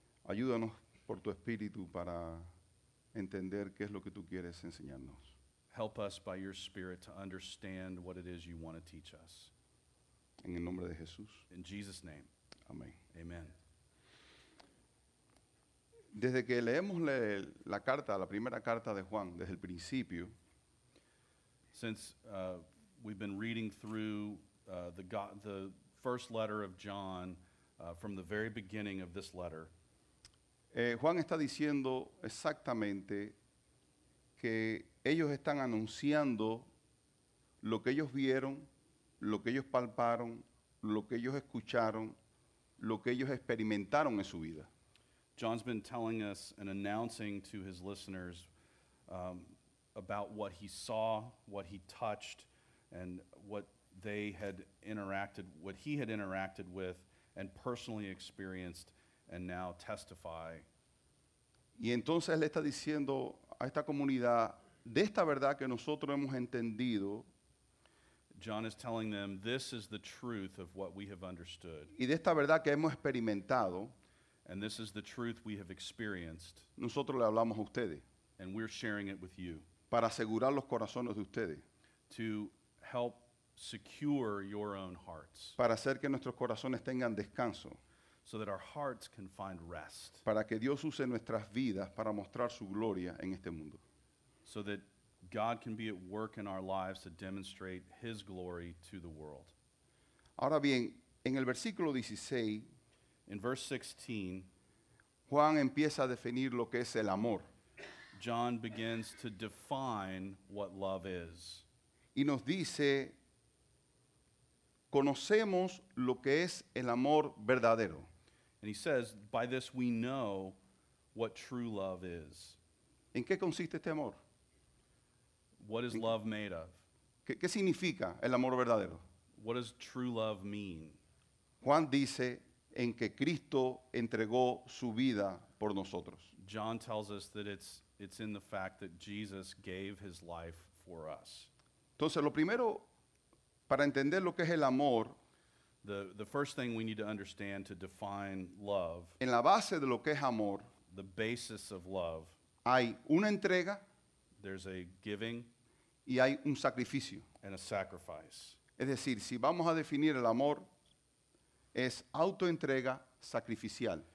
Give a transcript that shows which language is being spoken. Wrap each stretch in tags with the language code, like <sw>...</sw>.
<es>ayúdanos por tu espíritu para entender qué es lo que tú quieres enseñarnos.</es> <en>Help us by your spirit to understand what it is you want to teach us.</en> <es>En el nombre de Jesús.</es> <en>In Jesus' name.</en> <es>Amén.</es> <en>Amen.</en> <es>Desde que leemos la carta, la primera carta de Juan, desde el principio,</es> <en>since we've been reading through the first letter of John from the very beginning of this letter,</en> <es>Juan está diciendo exactamente que ellos están anunciando lo que ellos vieron, lo que ellos palparon, lo que ellos escucharon, lo que ellos experimentaron en su vida.</es> <en>John's been telling us and announcing to his listeners about what he saw, what he touched, and what they had interacted, what he had interacted with and personally experienced, and now testify.</en> <es>Y entonces le está diciendo a esta comunidad de esta verdad que nosotros hemos entendido.</es> <en>John is telling them, this is the truth of what we have understood.</en> <es>Y de esta verdad que hemos experimentado.</es> <en>And this is the truth we have experienced.</en> <es>Nosotros le hablamos a ustedes.</es> <en>And we're sharing it with you.</en> <es>Para asegurar los corazones de ustedes.</es> <en>To help secure your own hearts.</en> <es>Para hacer que nuestros corazones tengan descanso.</es> <en>So that our hearts can find rest.</en> <es>Para que Dios use nuestras vidas para mostrar su gloria en este mundo.</es> <en>So that God can be at work in our lives to demonstrate his glory to the world.</en> <es>Ahora bien, en el versículo 16,</es> <en>in verse 16,</en> <es>Juan empieza a definir lo que es el amor.</es> <en>John begins to define what love is.</en> <es>Y nos dice, conocemos lo que es el amor verdadero.</es> <en>And he says, by this we know what true love is.</en> <es>¿En qué consiste este amor?</es> <en>What is love made of?</en> <es>¿Qué significa el amor verdadero?</es> <en>What does true love mean?</en> <es>Juan dice en que Cristo entregó su vida por nosotros.</es> <en>John tells us that it's in the fact that Jesus gave his life for us.</en> <es>Entonces, lo primero para entender lo que es el amor,</es> <en>the first thing we need to understand to define love,</en> <es>en la base de lo que es amor,</es> <en>the basis of love,</en> <es>hay una entrega.</es> <en>There's a giving,</en> <es>y hay un sacrificio.</es> <en>And a sacrifice.</en> <es>Es decir, si vamos a definir el amor, es autoentrega sacrificial.</es>